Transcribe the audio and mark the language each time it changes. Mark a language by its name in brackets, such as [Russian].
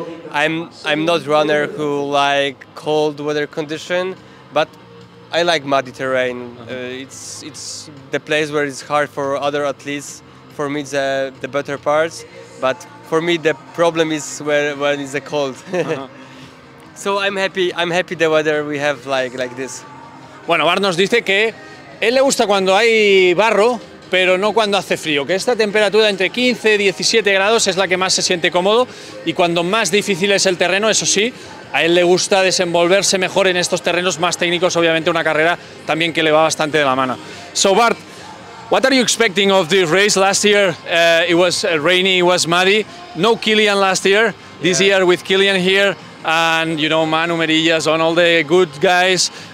[English] I'm not a runner who like cold weather condition, but I like muddy terrain. It's the place where it's hard for other athletes. For me, it's the better parts. But for me, the problem is when it's cold. So I'm happy the weather we have like this. [Spanish] Bueno, Bart nos dice que él le gusta cuando hay barro, pero no cuando hace frío, que esta temperatura entre 15 y 17 grados es la que más se siente cómodo, y cuando más difícil es el terreno, eso sí, a él le gusta desenvolverse mejor en estos terrenos más técnicos, obviamente una carrera también que le va bastante de la mano. [English] So Bart, what are you expecting of this race? Last year it was rainy, it was muddy. No Kilian last year. This year with Kilian here and, you know, Manu Merillas and all the good guys.